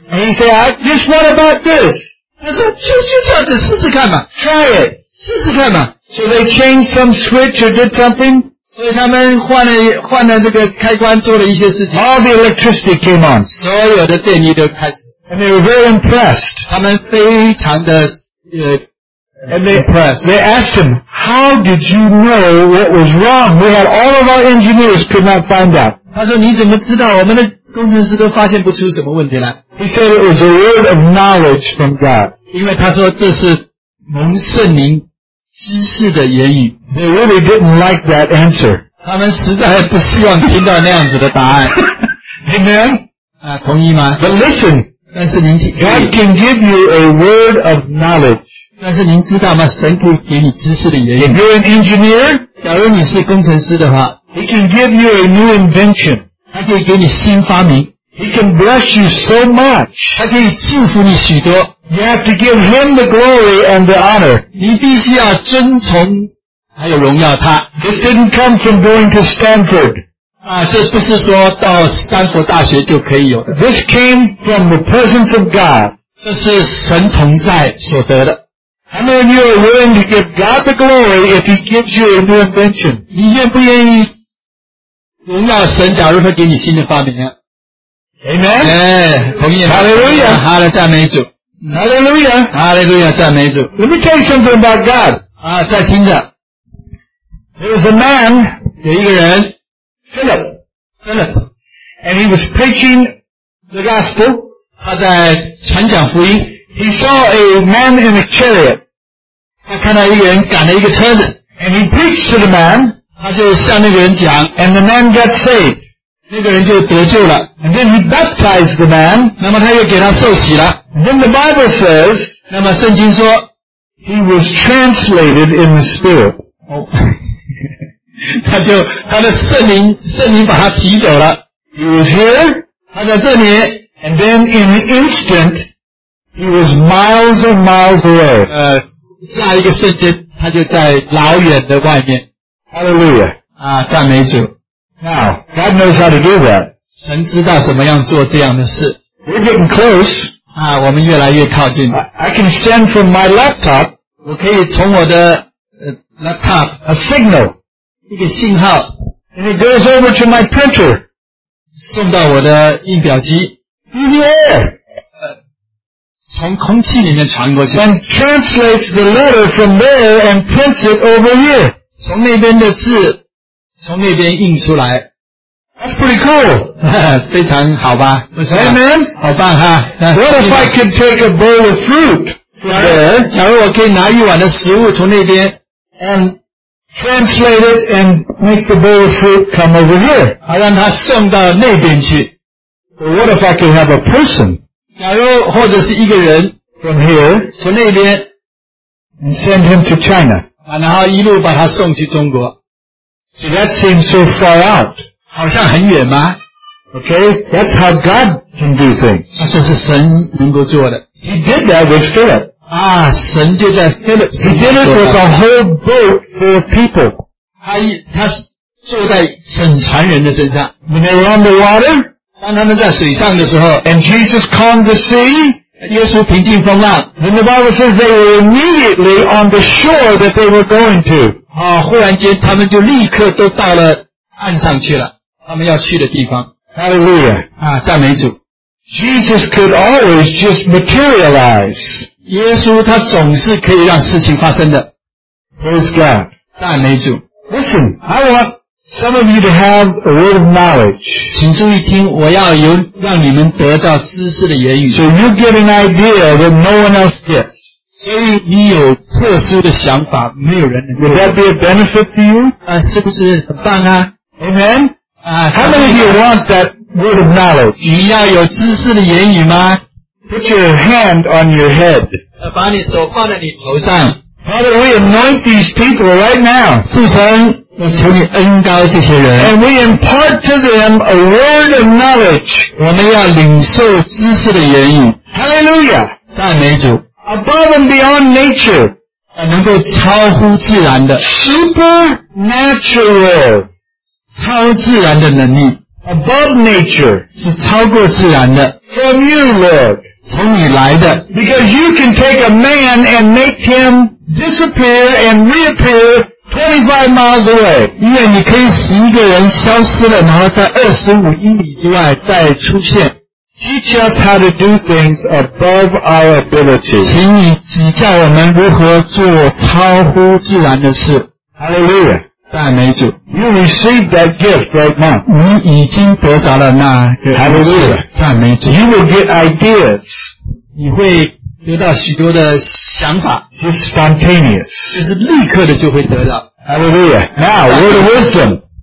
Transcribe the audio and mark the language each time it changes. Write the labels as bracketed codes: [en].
[en] And he said, just what about this? [zh] 他说就这样子试试看嘛 [en] Try it [zh] 试试看嘛 [en] So they changed some switch or did something? [zh] 所以他们换了这个开关，做了一些事情。 [en] All the electricity came on. [zh] 所有的电力都开始。 [en] And they were very impressed. [zh] 他们非常的impressed. [en] They asked him, "How did you know what was wrong? We had all of our engineers could not find out." [zh] 他说：“你怎么知道？我们的工程师都发现不出什么问题来。” [en] He said it was a word of knowledge from God. [zh] 因为他说这是蒙圣灵。知识的言语 [en] They really didn't like that answer. [zh] 他们实在不希望听到那样子的答案 [en] Amen? [zh] 啊，同意吗 [en] But listen, [zh] 但是您听 [en] God can give you a word of knowledge. [zh] 但是您知道吗神可以给你知识的言语 [en] If you're an engineer, [zh] 假如你是工程师的话 [en] He can give you a new invention. [zh] 他可以给你新发明 [en] He can bless you so much. [zh] 他可以祝福你许多 [en] You have to give him the glory and the honor. [zh] 你必须要尊崇还有荣耀他。 [en] This didn't come from going to Stanford. [zh] 啊，这不是说到斯坦福大学就可以有的。 [en] This came from the presence of God. [zh] 这是神同在所得的。 [en] How many of you are willing to give God the glory if He gives you a new invention? [zh] 你愿不愿意荣耀神假如他给你新的发明啊？ [en] Amen? [zh] 哎，同意吗？ [en] Hallelujah! [zh] 哈利赞美主。 [en] Hallelujah! [zh] Hallelujah! 赞美主。 [en] Let me tell you something about God. [zh] 啊，再听着。 [en] There was a man, [zh] 有一个人 [en] Philip, and he was preaching the gospel. [zh] 他在传讲福音。 [en] He saw a man in a chariot. [zh] 他看到一个人赶了一个车子。 [en] And he preached to the man. [zh] 他就向那个人讲。 [en] And the man got saved. [zh] 那个人就得救了。 [en] And then he baptized the man. [zh] 那么他又给他受洗了。 [en] And then the Bible says, [zh] 那么圣经说, [en] he was translated in the spirit. [zh] 他就他的圣灵把他提走了。 [en] He was here. [zh] 他在这里。 [en] And then in an instant,He was miles and miles away. [zh] 下一个瞬间他就在老远的外面。 [en] Hallelujah. [zh] 啊，赞美主。 [en] Now, God knows how to do that. [zh] 神知道怎么样做这样的事。 [en] We're getting close. [zh] 啊，我们越来越靠近。 [en] I can send from my laptop. [zh] 我可以从我的laptop. [en] A signal. [zh] 一个信号。 [en] And it goes over to my printer. [zh] 送到我的印表机。 [en] Yeah. [zh] 从空气里面传过去。 [en] And translates the letter from there and prints it over here. [zh] 从那边的字从那边印出来。 [en] That's pretty cool. [zh] 非常好吧。 [en] Amen. [zh] 好棒哈。 [en] What if I could take a bowl of fruit from there? [zh] 假如我可以拿一碗的食物从那边 [en] and translate it and make the bowl of fruit come over here. [zh] 好让它送到那边去。 [en] But what if I could have a person? [zh] 假如或者是一个人 [en] from here [zh] 从那边 [en] and send him to China [zh] 然后一路把他送去中国 [en] so that seems so far out [zh] 好像很远吗 [en] okay that's how God can do things [zh] 这是神能够做的 [en] he did that with Philip [zh] 啊神就在 Philip [en] he did it with a whole boat full of people [zh] 他坐在整船人的身上 [en] when they were on the water [zh] 当他们在水上的时候 [en] And Jesus calmed the sea [zh] 耶稣平静风浪 [en] Then the Bible says they were immediately on the shore that they were going to、 [zh] 哦、忽然间他们就立刻都到了岸上去了他们要去的地方 [en] Hallelujah、 [zh] 啊、赞美主 [en] Jesus could always just materialize [zh] 耶稣他总是可以让事情发生的 [en] Praise God [zh] 赞美主 [en] Listen, I wantSome of you to have a word of knowledge. [zh] 请注意听，我要有让你们得到知识的言语。 [en] So you get an idea that no one else gets. [zh] 所以你有特殊的想法，没有人能够。 [en] Would that be a benefit to you? [zh] 是不是很棒啊 [en] ？Amen. [zh] 啊 [en] ，How many of you want that word of knowledge? [zh] 你要有知识的言语吗 [en] ？Put your hand on your head. [zh] 把你手放在你头上。 [en] Father, we anoint these people right now. [zh] 父神。我求你恩膏这些人 [en] And we impart to them a word of knowledge [zh] 我们要领受知识的言语 [en] Hallelujah [zh] 赞美主 [en] Above and beyond nature [zh] 能够超乎自然的 [en] Supernatural [zh] 超自然的能力 [en] Above nature [zh] 是超过自然的 [en] From you Lord [zh] 从你来的 [en] Because you can take a man and make him disappear and reappear 25 miles away. [zh] 因为你可以使一个人消失了然后在25英里之外再出现。 [en] Teach us how to do things above our ability. [zh] 请你指教我们如何做超乎自然的事。 [en] Hallelujah. [zh] 赞美主。 [en] You received that gift right now. [zh] 你已经得着了那个。 [en] Hallelujah. [zh] 赞美主。 [en] You will get ideas. [zh] 你会得到许多的想法 [en] Just spontaneous [zh] 就是立刻的就会得到 [en] Hallelujah Now word of wisdom